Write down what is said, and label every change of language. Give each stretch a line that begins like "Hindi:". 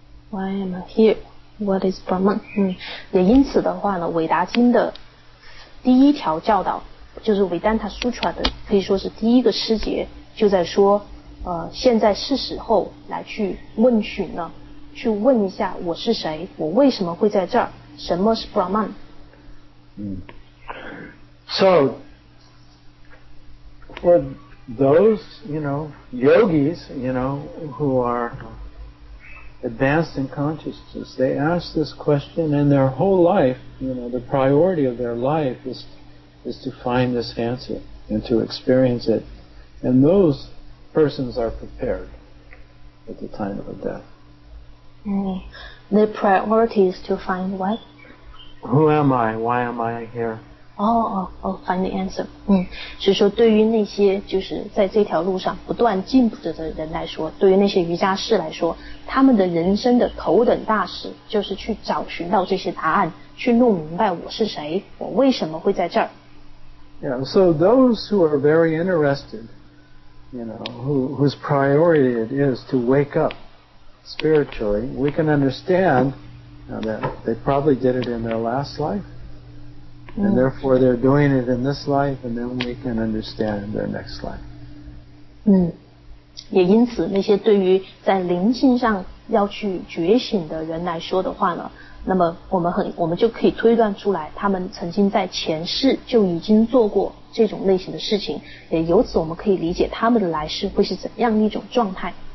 English: Why am I here? What is Brahman?
Chinese: 也因此的话呢，伟达经的第一条教导，就是维丹塔苏特拉的，可以说是第一个师节，就在说，现在是时候来去问询了，去问一下我是谁，我为什么会在这儿，什么是 Brahman?
English: So, for those, you know, yogis, you know, who are... advanced in consciousness, they ask this question and their whole life, you know, the priority of their life is to find this answer and to experience it. And those persons are prepared at the time of death. The priority is to find what? Who am I? Why am I here? Find the answer.
Chinese: 所以说对于那些就是在这条路上不断进步的人来说，对于那些瑜伽士来说，他们的人生的头等大事就是去找寻到这些答案，去弄明白我是谁，我为什么会在这儿。
English: Yeah, so those who are very interested, you know, whose priority it is to wake up spiritually, we can understand that they probably did it in their last life, and therefore they're doing it in this life, and then we can understand their next life.
Chinese: 也因此那些对于在灵性上要去觉醒的人来说的话呢，那么我们就可以推断出来他们曾经在前世就已经做过这种类型的事情，也由此我们可以理解他们的来世会是怎样一种状态。